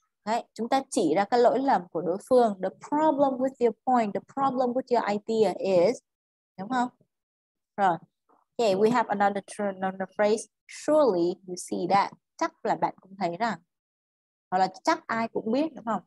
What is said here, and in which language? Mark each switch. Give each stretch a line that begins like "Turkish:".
Vietnamese: Đấy, chúng ta chỉ ra cái lỗi lầm của đối phương.
English: The problem with your point, the problem with your idea is,
Vietnamese: đúng không? Rồi.
English: Okay, we have another turn on the phrase. Surely you see that.
Vietnamese: Chắc là bạn cũng thấy rằng. Hoặc là chắc ai cũng biết, đúng không?